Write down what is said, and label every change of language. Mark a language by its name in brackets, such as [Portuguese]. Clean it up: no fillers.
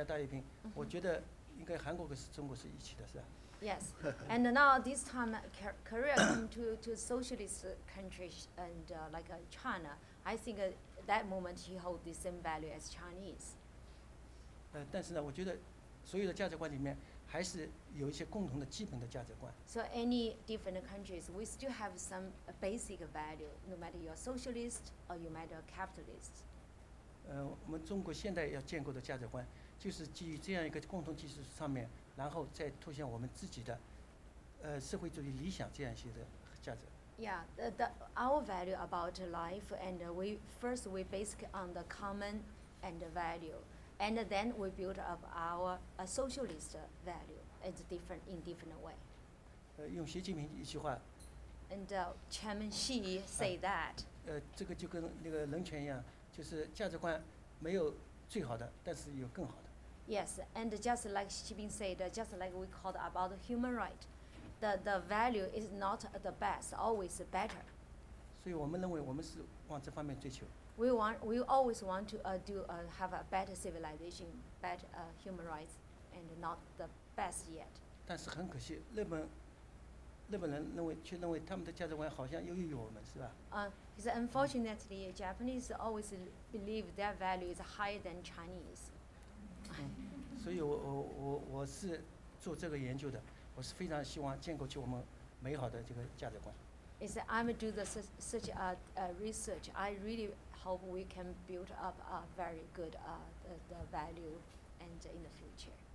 [Chinese] 但是这次那个韩国的总统却到中国来参加大礼品，我觉得应该韩国跟中国是一起的，是吧？ [English] Yes, and now this time Korea came to socialist countries and like China. I think that moment he hold the same value as Chinese. [Chinese] 但是呢，我觉得所有的价值观里面还是有一些共同的基本的价值观。 [English] So any different countries, we still have some basic value, no matter you're socialist or you might be a capitalist. [Chinese] 我们中国现在要建构的价值观就是基于这样一个共同基础上面。然后再凸显我们自己的社会主义理想这样一些的价值。 [English] Yeah, our value about life, and we based on the common and the value, and then we build up our socialist value. it's different in different way. [Chinese] 用习近平一句话。 [English] And Chairman Xi say that. [Chinese] 这个就跟那个人权一样，就是价值观没有最好的，但是有更好的。 [English] Yes, and just like Xi Jinping said, just like we called about human right, the value is not the best, always better. [Chinese] 所以我们认为我们是往这方面追求。 [English] We always want to have a better civilization, better human rights, and not the best yet. [Chinese] 但是很可惜，日本人认为却认为他们的价值观好像优于我们，是吧？ [English] He said, unfortunately, Japanese always believe their value is higher than Chinese. [Chinese] 所以我是做这个研究的，我是非常希望建构起我们美好的这个价值观。 [English] He said, I'm do the such a research. I really hope we can build up a very good the value and in the future.